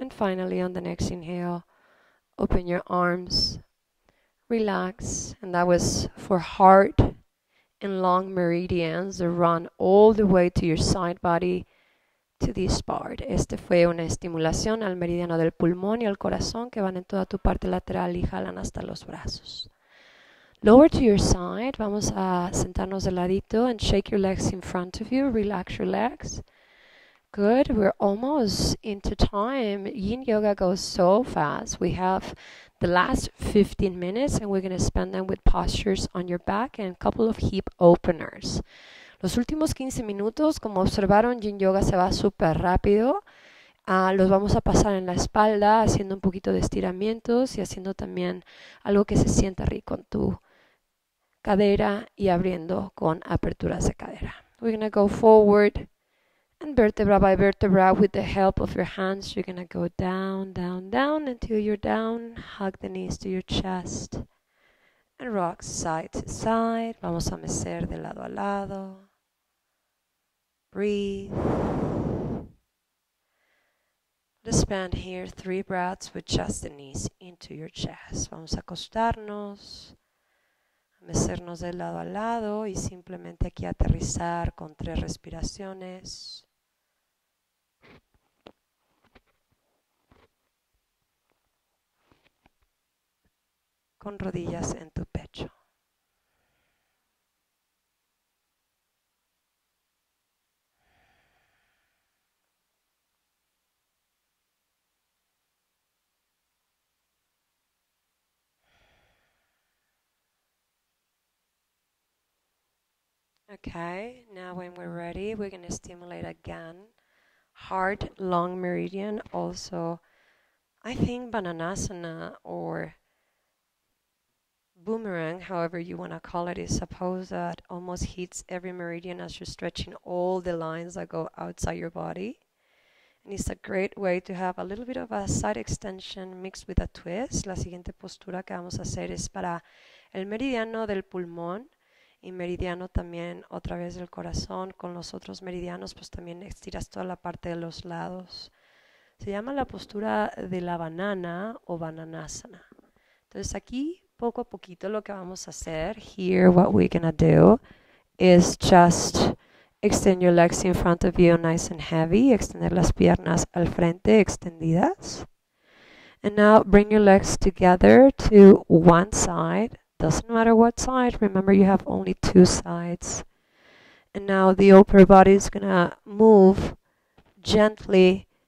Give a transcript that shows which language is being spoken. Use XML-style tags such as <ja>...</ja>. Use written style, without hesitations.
<en>And finally, on the next inhale, open your arms, relax. And that was for heart and lung meridians that run all the way to your side body to this part.</en> <es>Este fue una estimulación al meridiano del pulmón y al corazón que van en toda tu parte lateral y jalan hasta los brazos.</es> <en>Lower to your side,</en> <es>vamos a sentarnos de ladito</es> <en>and shake your legs in front of you, relax your legs. Good, we're almost into time. Yin yoga goes so fast. We have the last 15 minutes and we're going to spend them with postures on your back and a couple of hip openers.</en> <es>Los últimos 15 minutos, como observaron, Yin yoga se va súper rápido. Los vamos a pasar en la espalda, haciendo un poquito de estiramientos y haciendo también algo que se sienta rico en tu cadera y abriendo con aperturas de cadera.</es> <en>We're going to go forward and vertebra by vertebra with the help of your hands. You're going to go down, down, down until you're down. Hug the knees to your chest and rock side to side.</en> <es>Vamos a mecer de lado a lado.</es> <en>Breathe. Spend here 3 breaths with just the knees into your chest.</en> <es>Vamos a acostarnos, mecernos de lado a lado y simplemente aquí aterrizar con tres respiraciones. Con rodillas en tu pecho.</es> <en>Okay, now when we're ready, we're going to stimulate again. Heart, lung meridian, also, I think, bananasana or boomerang, however you want to call it, is a pose that almost hits every meridian as you're stretching all the lines that go outside your body. And it's a great way to have a little bit of a side extension mixed with a twist.</en> <es>La siguiente postura que vamos a hacer es para el meridiano del pulmón y meridiano también otra vez del corazón. Con los otros meridianos, pues también estiras toda la parte de los lados. Se llama la postura de la banana o bananasana. Entonces aquí, poco a poquito, lo que vamos a hacer,</es> <en>here what we're going to do is just extend your legs in front of you nice and heavy,</en> <es>extender las piernas al frente extendidas,</es> <en>and now bring your legs together to one side, doesn't matter what side, remember you have only two sides, and now the upper body is going to move gently</en>